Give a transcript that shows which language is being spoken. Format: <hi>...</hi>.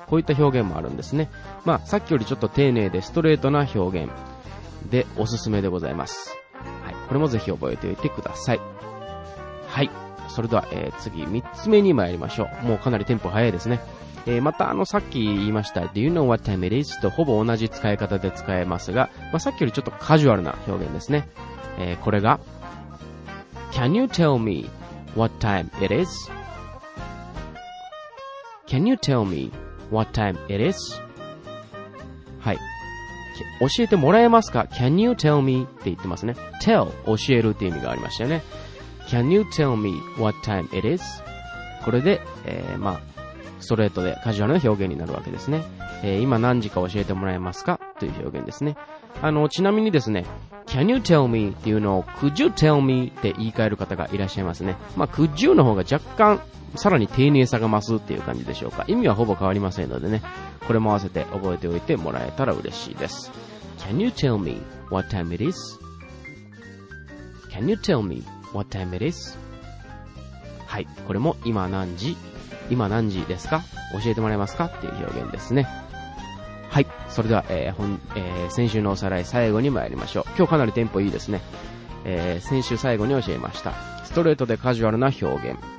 <ja>こういった表現もあるんですね。まあ、さっきよりちょっと丁寧でストレートな表現でおすすめでございます。はい。これもぜひ覚えておいてください。はい。それでは、次三つ目に参りましょう。もうかなりテンポ早いですね。またさっき言いました</ja> <en>Do you know what time it is?</en> <ja>とほぼ同じ使い方で使えますが、まあ、さっきよりちょっとカジュアルな表現ですね。これが</ja> <en>Can you tell me what time it is? Can you tell me what time it is?</en> <ja>はい。教えてもらえますか</ja> <en>Can you tell me?</en> <ja>って言ってますね。 Tell 教えるって意味がありましたよね。</ja> <en>Can you tell me what time it is?</en> <ja>これで、まあ、ストレートでカジュアルな表現になるわけですね。今何時か教えてもらえますかという表現ですね。ちなみにですね、</ja> <en>Can you tell me</en> <ja>っていうのを</ja> <en>Could you tell me</en> <ja>って言い換える方がいらっしゃいますね。まあ、Could you の方が若干、さらに丁寧さが増すっていう感じでしょうか。意味はほぼ変わりませんのでね、これも合わせて覚えておいてもらえたら嬉しいです。</ja> <en>Can you tell me what time it is? Can you tell meWhat time it is?</en> <ja>はい、これも今何時ですか？教えてもらえますか？っていう表現ですね。はい、それでは、先週のおさらい最後に参りましょう。今日かなりテンポいいですね。先週最後に教えました、ストレートでカジュアルな表現。</ja>